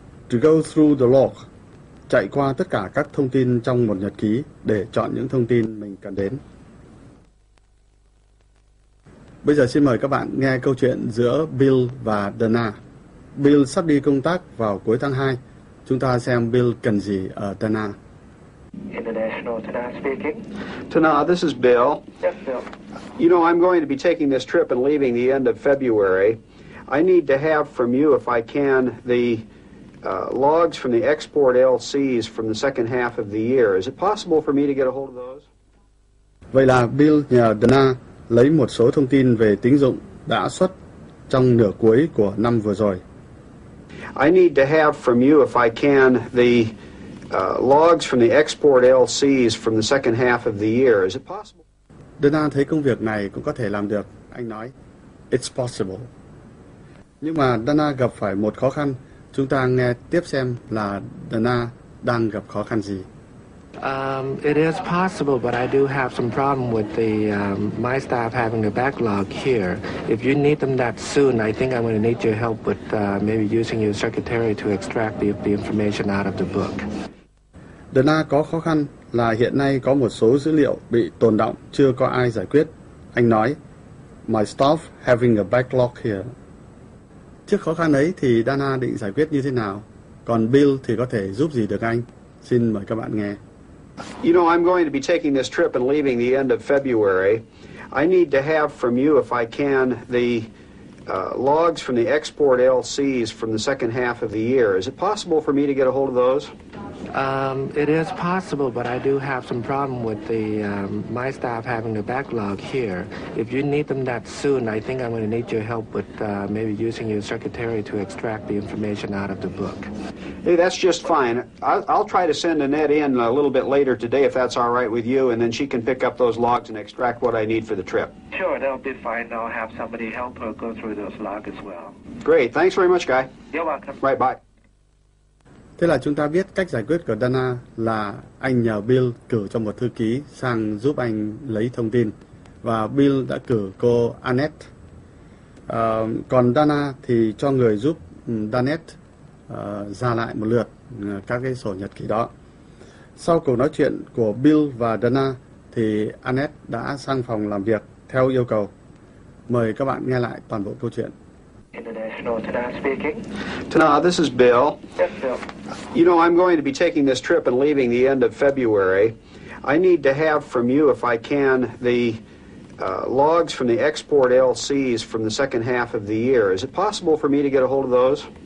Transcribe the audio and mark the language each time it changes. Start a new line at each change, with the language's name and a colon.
English: To go through the log,
Vietnamese: chạy qua tất cả các thông tin trong một nhật ký để chọn những thông tin mình cần đến. Bây giờ xin mời các bạn nghe câu chuyện giữa Bill và Dana. Bill sắp đi công tác vào cuối tháng 2. Chúng ta xem Bill cần gì ở Dana.
English: International, Tana speaking. Tana, this is Bill. Yes, Bill. You know, I'm going to be taking this trip and leaving the end of February. I need to have from you, if I can, the logs from the export LCs from the second half of the year. Is it possible for me to get a hold of those?
Vietnamese: Vậy là Bill nhờ Dana lấy một số thông tin về tín dụng đã xuất trong nửa cuối của năm vừa rồi.
English: I need to have from you, if I can, the logs from the export LCs from the second half of the year. Is it possible?
Vietnamese: Dana thấy công việc này cũng có thể làm được. Anh nói,
English: it's possible.
Vietnamese: Nhưng mà Dana gặp phải một khó khăn. Chúng ta nghe tiếp xem là Dana đang gặp khó khăn gì.
English: It is possible, but I do have some problem with the my staff having a backlog here. If you need them that soon, I think I'm going to need your help with maybe using your secretary to extract the information out of the book.
Vietnamese: Dana có khó khăn là hiện nay có một số dữ liệu bị tồn đọng chưa có ai giải quyết.
English: Anh nói, my staff having a backlog here.
Vietnamese: Trước khó khăn ấy thì Dana định giải quyết như thế nào? Còn Bill thì có thể giúp gì được anh? Xin mời các bạn nghe.
English: You know, I'm going to be taking this trip and leaving the end of February. I need to have from you, if I can, the logs from the export LCs from the second half of the year. Is it possible for me to get a hold of those? It is possible, but I do have some problem with the my staff having a backlog here. If you need them that soon, I think I'm going to need your help with maybe using your secretary to extract the information out of the book. Hey, that's just fine. I'll try to send Annette in a little bit later today, if that's all right with you, and then she can pick up those logs and extract what I need for the trip. Sure, that'll be fine. I'll have somebody help her go through those logs as well. Great. Thanks very much, Guy. You're welcome. Right, bye.
Vietnamese: Thế là chúng ta biết cách giải quyết của Dana là anh nhờ Bill cử cho một thư ký sang giúp anh lấy thông tin. Và Bill đã cử cô Annette. Còn Dana thì cho người giúp Annette ra lại một lượt các cái sổ nhật ký đó. Sau cuộc nói chuyện của Bill và Dana thì Annette đã sang phòng làm việc theo yêu cầu. Mời các bạn nghe lại toàn bộ câu chuyện.
English: Tana speaking. Tana, this is Bill. Yes, Bill. You know, I'm going to be taking this trip and leaving the end of February. I need to have from you, if I can, the logs from the export LCs from the second half of the year. Is it possible for me to get a hold of those?